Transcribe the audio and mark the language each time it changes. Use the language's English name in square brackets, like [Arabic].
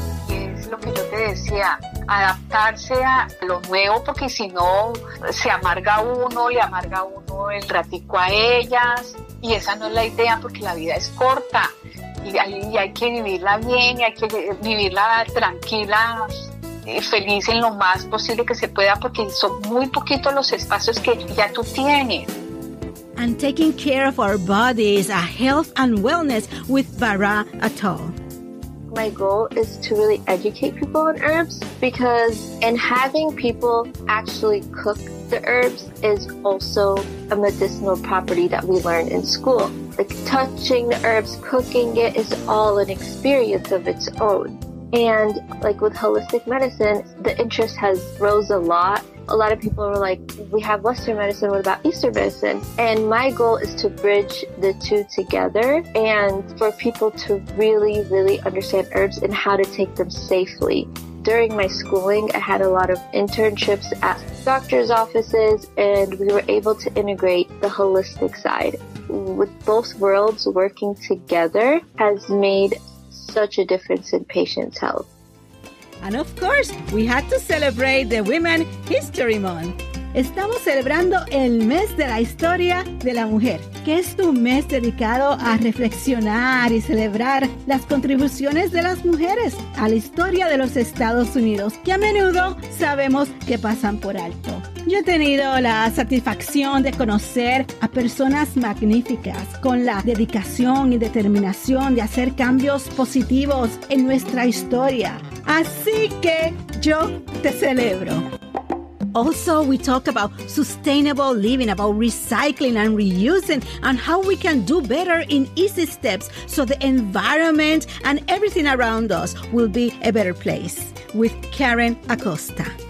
[Spanish] Es lo que yo te decía, adaptarse a lo nuevo, porque si no, se amarga uno, le amarga uno el ratico a ellas, y esa no es la idea, porque la vida es corta, y hay que vivirla bien, y hay que vivirla tranquila, feliz en lo más posible que se pueda, porque son muy poquitos los espacios que ya tú tienes. [English] and taking care of our bodies, our health and wellness with Bara Atoll. My goal is to really educate people on herbs, because in having people actually cook the herbs is also a medicinal property that we learn in school. Like touching the herbs, cooking it is all an experience of its own. And like with holistic medicine, the interest has rose a lot. A lot of people were like, we have Western medicine, what about Eastern medicine? And my goal is to bridge the two together and for people to really, really understand herbs and how to take them safely. During my schooling, I had a lot of internships at doctor's offices, and we were able to integrate the holistic side. With both worlds working together has made such a difference in patients' health. And of course, we had to celebrate the Women History Month. [Spanish] Estamos celebrando el mes de la historia de la mujer, que es un mes dedicado a reflexionar y celebrar las contribuciones de las mujeres a la historia de los Estados Unidos, que a menudo sabemos que pasan por alto. Yo he tenido la satisfacción de conocer a personas magníficas con la dedicación y determinación de hacer cambios positivos en nuestra historia. Así que yo te celebro. [English] Also, we talk about sustainable living, about recycling and reusing, and how we can do better in easy steps so the environment and everything around us will be a better place with Karen Acosta.